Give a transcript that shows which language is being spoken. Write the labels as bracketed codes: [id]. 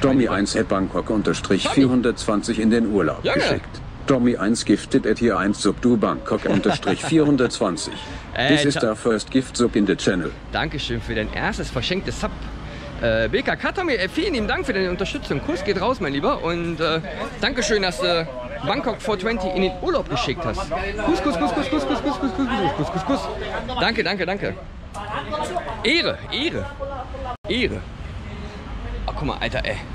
[de] Tommy 1 hat Bangkok unterstrich 420 in den Urlaub geschickt. Tommy 1 giftet at hier 1 sub du Bangkok unterstrich 420. [en] This is the first gift sub in the channel. [de] Dankeschön für dein erstes verschenktes Sub. BKK Tommy, vielen lieben Dank für deine Unterstützung. Kuss geht raus, mein Lieber. Und Dankeschön, dass du Bangkok 420 in den Urlaub geschickt hast. Kuss. Danke. Ehre. Oh, guck mal, Alter, ey.